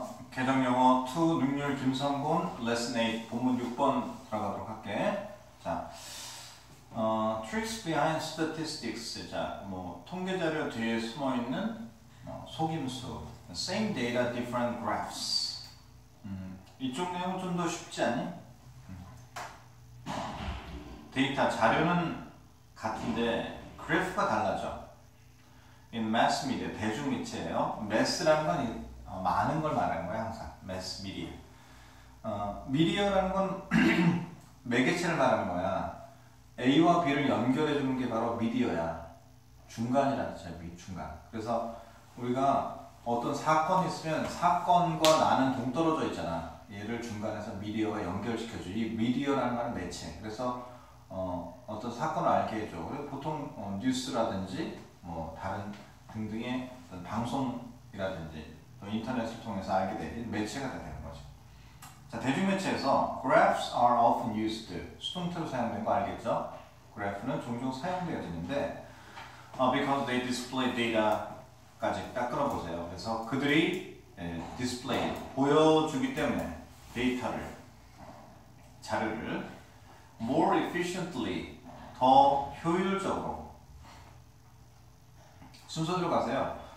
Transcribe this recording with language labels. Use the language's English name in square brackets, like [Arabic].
[Korean] 개정 영어 2 능률 김성곤 레슨 8 본문 6번 들어가도록 할게. [English] 자, tricks behind statistics. [Korean] 자, 뭐 통계 자료 뒤에 숨어 있는 속임수. [English] Same data, different graphs. [Korean] 이쪽 내용 좀 더 쉽지 않니? 데이터 자료는 같은데 그래프가 달라져. [English] In mass media [Korean] 대중 매체예요. Mass라는 건 많은 걸 말하는 거야, 항상. [English] mass media. [Korean] 미디어라는 건 매개체를 말하는 거야. A와 B를 연결해 주는 게 바로 미디어야. 중간이라는 뜻이야, 중간. 그래서 우리가 어떤 사건이 있으면 사건과 나는 동떨어져 있잖아. 얘를 중간에서 미디어와 연결시켜 줘. 이 미디어라는 말은 매체. 그래서 어떤 사건을 알게 해 줘. 그리고 보통 뉴스라든지 뭐 다른 등등의 어떤 방송이라든지 또 인터넷을 통해서 알게 되는 매체가 되는 거지. 자, 대중매체에서 [English] graphs are often used. [Korean] 수동태로 사용된 거 알겠죠? graph는 종종 사용되어 지는데 [English] because they display data [Korean] 까지 딱 끌어보세요. 그래서 그들이 display, 보여주기 때문에 데이터를, 자료를 [English] more efficiently, [Korean] 더 효율적으로 순서대로 가세요.